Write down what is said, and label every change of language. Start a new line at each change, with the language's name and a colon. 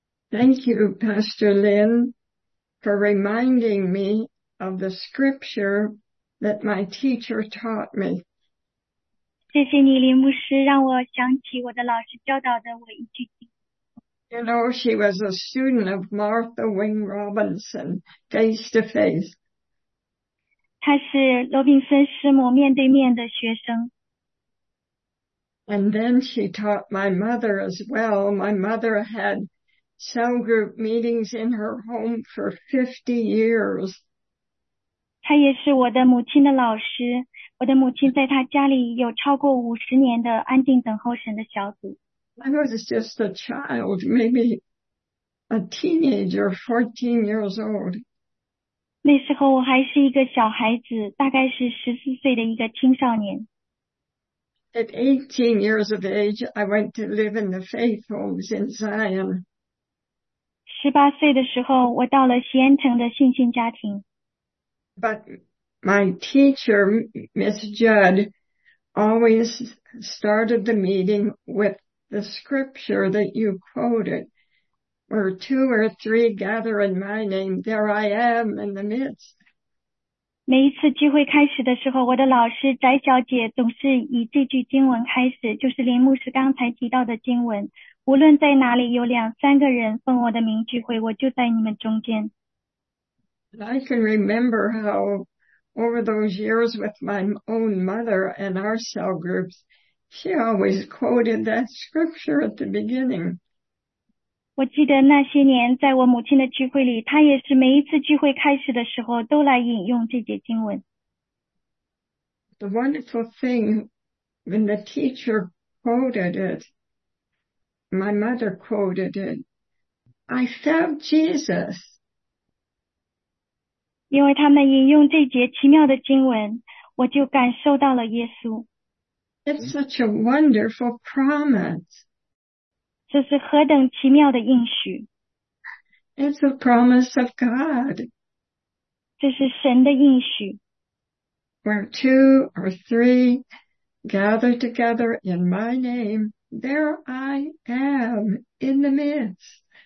English: Thank you, Pastor Lynn, for reminding me of the scripture that my teacher taught me.
Chinese: 谢谢你，林牧师，让我想起我的老师教导的我一句。
English: You know, she was a student of Martha Wing Robinson, face to face.
Chinese: 她是罗宾森师母面对面的学生。
English: And then she taught my mother as well. My mother had cell group meetings in her home for 50 years.
Chinese: 她也是我的母亲的老师。我的母亲在她家里有超过50年的安静等候神的小组。
English: I was just a child, maybe a teenager, 14 years old.
Chinese: 那时候我还是一个小孩子，大概是14岁的一个青少年。
English: At 18 years of age, I went to live in the faith homes in Zion.
Chinese: 18岁的时候，我到了锡安城的信心家庭。
English: But my teacher, Miss Judd, always started the meeting with the scripture that you quoted, where two or three gather in my name, there I am in the midst.
Chinese: 每一次聚会开始的时候，我的老师翟小姐总是以这句经文开始，就是林牧师刚才提到的经文。无论在哪里有两三个人奉我的名聚会，我就在你们中间。
English: I can remember how over those years with my own mother and our cell groups, she always quoted that scripture at the beginning.
Chinese: 我记得那些年在我母亲的聚会里，她也是每一次聚会开始的时候都来引用这节经文。
English: The wonderful thing, when the teacher quoted it, my mother quoted it, I felt Jesus.
Chinese: 因为他们引用这节奇妙的经文，我就感受到了耶稣。
English: It's such a wonderful promise.
Chinese: 这是何等奇妙的应许。
English: It's a promise of God.
Chinese: 这是神的应许。
English: Where two or three gather together in my name, there I am in the midst.